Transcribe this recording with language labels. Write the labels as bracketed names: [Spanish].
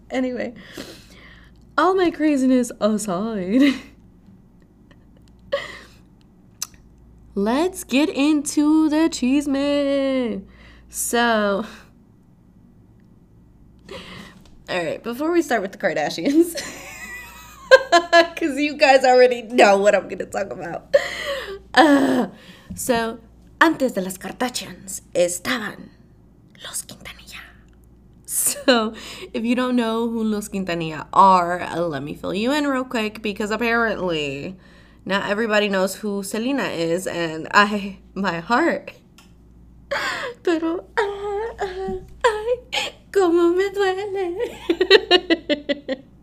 [English] Anyway, all my craziness aside, let's get into the chismes. So, all right, before we start with the Kardashians, because you guys already know what I'm going to talk about. [Spanish] So, antes de las Kardashians estaban Los Quintanilla. [English] So, if you don't know who Los Quintanilla are, let me fill you in real quick, because apparently not everybody knows who Selena is, and my heart. [Spanish] Pero, ay, como me duele.